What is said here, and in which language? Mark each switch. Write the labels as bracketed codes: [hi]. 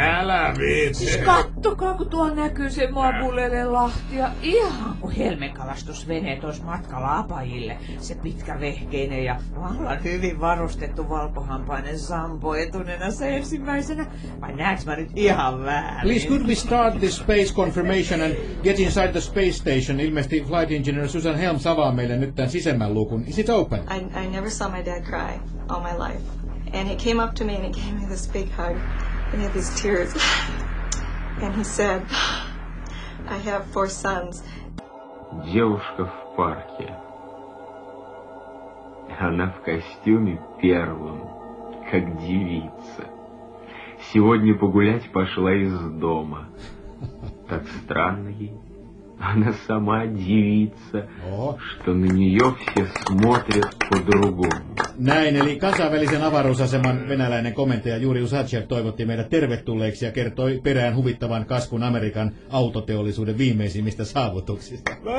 [fi] Älä viitsi! Siis kattokaa, kun tuolla näkyy se Mabulele Lahtia. Ihan kuin helmenkalastusvene tuossa matkalla apajille. Se pitkä vehkeinen ja vallan hyvin varustettu valkohampainen Sampo etunenässä ensimmäisenä. Vai näetkö mä nyt ihan väärin? [en] Please could we start this space confirmation and get inside the space station? [fi] Ilmeisesti flight engineer Susan Helms avaa meille nyt tämän sisemmän luukun. [en] Is it open? I never saw my dad cry all my life. And he came up to me and he gave me this big hug. And he had these tears. And he said, I have 4 sons. [ru] Девушка в парке. Она в костюме первом, как девица. Сегодня погулять пошла из дома. Так странно ей. Она сама девица, что на нее все смотрят по-другому. [fi] Näin, eli kansainvälisen avaruusaseman venäläinen komentaja Juri Usatscher toivotti meidät tervetulleeksi ja kertoi perään huvittavan kasvun Amerikan autoteollisuuden viimeisimmistä saavutuksista.